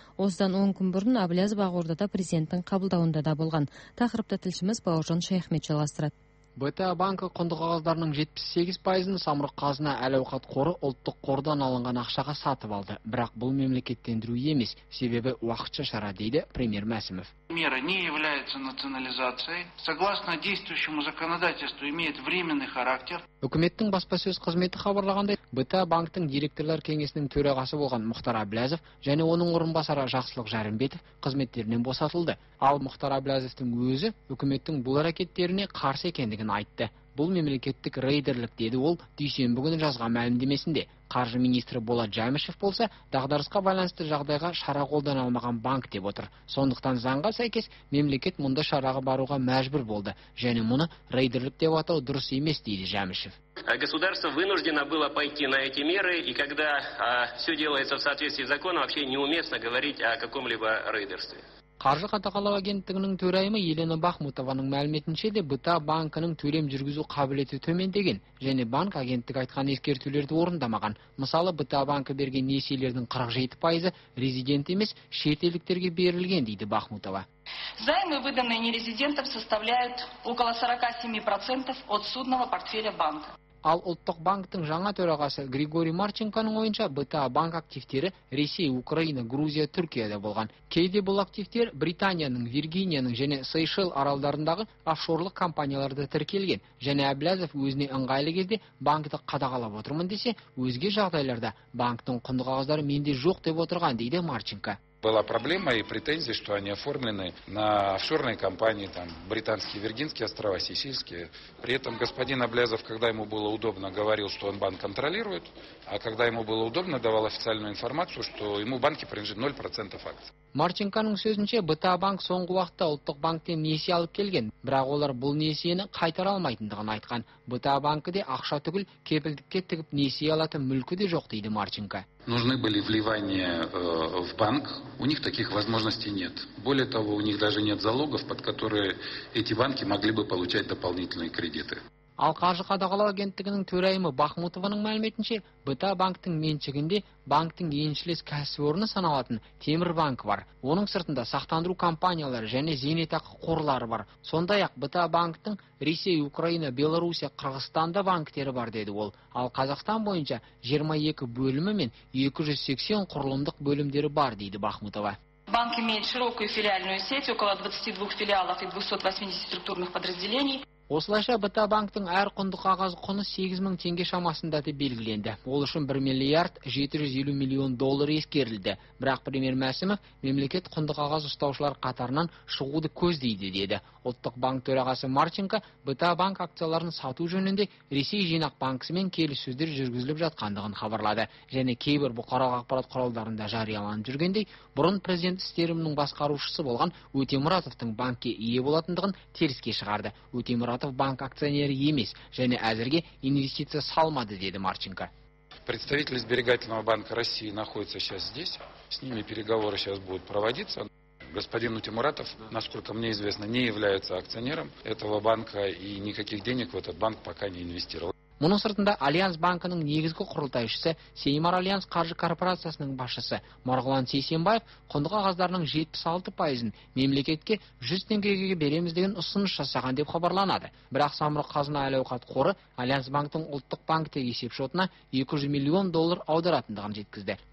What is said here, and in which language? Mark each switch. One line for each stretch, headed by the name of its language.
Kazakh: Осыдан 10 күн бұрын Әбіләзов Ақордада президенттің қабылдауында да болған. Тақырыпты тілшіміз Бауыржан Шайхмет жалғастырады. БТА банкі құнды қағаздарының 78%-ін Самұрық қазына әл-ауқат қоры ұлттық қордан алынған ақшаға сатып алды. Бірақ бұл мемлекеттендіру емес, себебі уақытша шара, дейді премьер Мәсімов.
Russian: Мера не является национализацией. Согласно действующему законодательству имеет временный характер.
Kazakh: Үкіметтің баспасөз қызметі хабарлағандай, БТА банктің директорлар кеңесінің төрағасы болған Мұхтар Әбіләзов және оның орынбасары Жақсылық Жәрімбетов қызметтерінен босатылды. Ал Мұхтар Әбіләзовтің өзі үкіметтің бұл әрекеттеріне қарсы екендігін айтты. Бұл мемлекеттік рейдерлік, деді ол дүйсенбі күні жазған мәлімдемесінде. Қаржы министрі Болат Жәмішев болса, дағдарысқа байланысты жағдайға шара қолдана алмаған банк деп отыр. Сондықтан заңға сәйкес мемлекет мұнда шараға баруға мәжбүр болды және мұны рейдерлік деп атау дұрыс емес, дейді Жәмішев.
Russian: Государство вынуждено было пойти на эти меры, и когда все делается в соответствии с законом, вообще неуместно говорить о каком-либо рейдерстве.
Kazakh: Қаржы қадағалау агенттігінің төрайымы Елена Бахмутованың мәліметінше де БТА банкінің төлем жүргізу қабілеті төмендеген және банк агенттік айтқан ескертулерді орындамаған. Мысалы, БТА банкі берген несиелердің 47% резидент емес шетелдіктерге берілген, дейді Бахмутова.
Russian: Займы, выданные нерезидентам, составляют около 47% от судного портфеля банка.
Kazakh: Ал ұлттық банктің жаңа төрағасы Григорий Марченконың ойынша БТА банк активтері Ресей, Украина, Грузия, Түркияда болған. Кейде бұл активтер Британияның, Виргинияның және Сейшел аралдарындағы офшорлық компанияларда тіркелген. Және Әбіләзов өзіне ыңғайлы кезде банкті қадағалап отырмын десе, өзге жағдайларда банктің құнды қағаздары менде жоқ деп отырған, дейді Марченко.
Russian: Была проблема и претензии, что они оформлены на офшорные компании, там, британские, Виргинские острова, Сейшельские. При этом господин Аблязов, когда ему было удобно, говорил, что он банк контролирует, а когда ему было удобно, давал официальную информацию, что ему в банке принадлежит 0% акций.
Kazakh: Марченконың сөзінше, БТА банк соңғы уақытта ұлттық банктен несие алып келген, бірақ олар бұл несиені қайтара алмайтындығын айтқан. БТА банкі де ақша түгіл кепілдікке тігіп несие алатын мүлкі де жоқ, дейді Марченко.
Russian: Нужны были вливания в банк, у них таких возможностей нет. Более того, у них даже нет залогов, под которые эти банки могли бы получать дополнительные кредиты.
Kazakh: Ал қаржы қадағалау агенттігінің төрайымы Бахмутованың мәліметінше, БТА банктің меншігінде банктің еншілес кәсіпорны саналатын Темірбанк бар. Оның сыртында сақтандыру компаниялары және зейнетақы қорлары бар. Сондай-ақ БТА банктің Ресей, Украина, Белоруссия, Қырғызстанда банктері бар, деді ол. Ал Қазақстан бойынша 22 бөлімі мен 280 құрылымдық бөлімдері бар, дейді Бахмутова.
Russian: Банк имеет широкую филиальную сеть, около 22 филиалов и 280 структурных подразделений.
Kazakh: Осылайша БТА банктің әр құнды қағаз құны 8000 теңге шамасында деп белгіленді. Ол үшін 1 миллиард 750 миллион доллар ескерілді. Бірақ премьер Мәсімов мемлекет құнды қағаз ұстаушылар қатарынан шығуды көздейді, деді. Ұлттық банк төрағасы Марченко БТА банк акцияларын сату жөнінде Ресей жинақ банкісімен келіссөздер жүргізіліп жатқандығын хабарлады. Және кейбір бұқаралық ақпарат құралдарында жарияланып жүргендей, бұрын президент істерінің басқарушысы болған Өтемұратовтың банкке ие болатындығын теріске шығарды. Өтемұратов банк акционері емес, және әзірге инвестиция салмады, деді Марченко.
Russian: Представитель Сберегательного банка России находится сейчас здесь. С ними переговоры сейчас будут проводиться. Господин Утимуратов, насколько мне известно, не является акционером этого банка и никаких денег в этот банк пока не инвестировал.
Kazakh: Мұның сыртында Альянс банкының негізгі құрылтайшысы, Сеймар Альянс қаржы корпорациясының басшысы Марғылан Сейсенбаев құнды қағаздарының 76% мемлекетке 100 теңгеге береміз деген ұсыныс жасаған деп хабарланады. Бірақ Самұрық қазына әл-ауқат қоры Альянс банктің ұлттық банкте есепшотына 200 миллион доллар аударатындығын жеткізді.